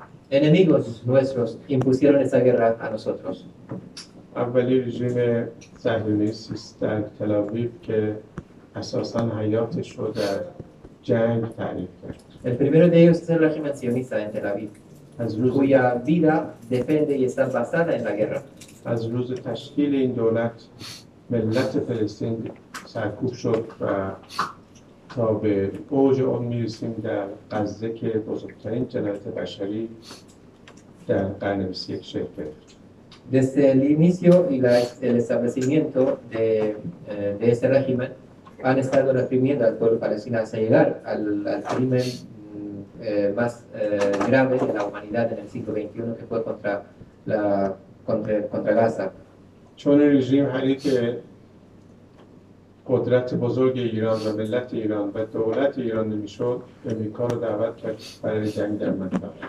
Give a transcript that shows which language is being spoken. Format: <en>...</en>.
<es>Enemigos nuestros impusieron esa guerra a nosotros. El primero de ellos es el régimen sionista en Tel Aviv, cuya vida depende y está basada en la guerra.</es> <fa>از روز تشکیل این دولت ملت فلسطین سرکوب شد و تا به اوج اون میرسیم در غزه که بزرگترین جنایت بشری در قرن 21 شکل گرفت.</fa> <es>Desde el inicio y el establecimiento de este régimen han estado reprimiendo al pueblo palestino hasta llegar al crimen más grave de la humanidad en el siglo XXI que fue contra Gaza.</es> <fa>چون رژیم حریف قدرت بزرگ ایران و ملت ایران و دولت ایران نمیشد، امریکا رو دعوت کرد برای جنگ در منطقه.</fa>